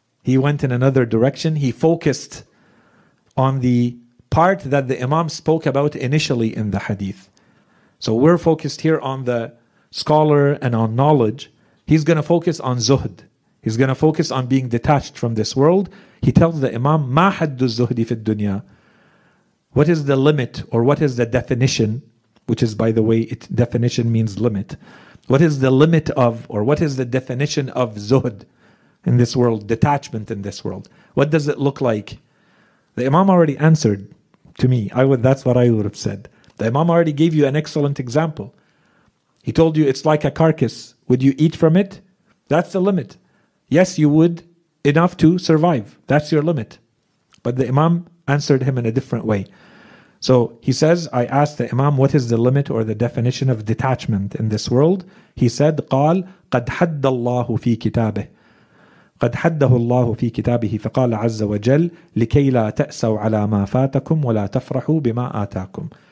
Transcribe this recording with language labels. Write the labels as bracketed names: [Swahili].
[English] He went in another direction. He focused on the part that the imam spoke about initially in the hadith. So we're focused here on the scholar and on knowledge. He's going to focus on zuhd. He's going to focus on being detached from this world. He tells the imam, [Arabic] ما حد الزهد في الدنيا? [English] What is the limit, or what is the definition? Which is, by the way, definition means limit. What is the limit of, or what is the definition of zuhd in this world, detachment in this world? What does it look like? The imam already answered to me. That's what I would have said. The imam already gave you an excellent example. He told you it's like a carcass. Would you eat from it? That's the limit. Yes, you would, enough to survive. That's your limit. But the imam answered him in a different way. So he says, I asked the imam, what is the limit or the definition of detachment in this world? He said, [Arabic] قال قد حد الله في كتابه قد حده الله في كتابه فقال عز وجل لكي لا تأسوا على ما فاتكم ولا تفرحوا بما آتاكم.